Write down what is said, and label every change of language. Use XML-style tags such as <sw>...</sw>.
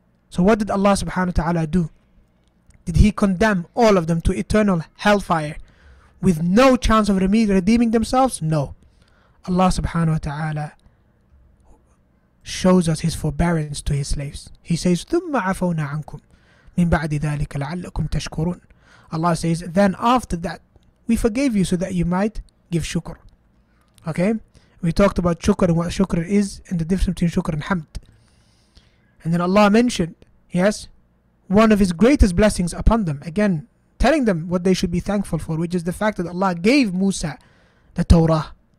<en>So what did Allah subhanahu wa ta'ala do? Did He condemn all of them to eternal hellfire with no chance of redeeming themselves? No. Allah subhanahu wa ta'ala shows us His forbearance to His slaves. He says,</en> <ar>ثُمَّ عَفَوْنَا عَنْكُمْ مِنْ بَعْدِ ذَلِكَ لَعَلَّكُمْ تَشْكُرُونَ.</ar> <en>Allah says, then after that, we forgave you so that you might give shukr. Okay? We talked about shukr and what shukr is and the difference between shukr and hamd. And then Allah mentioned, yes, one of His greatest blessings upon them. Again, telling them what they should be thankful for, which is the fact that Allah gave Musa the Torah.</en>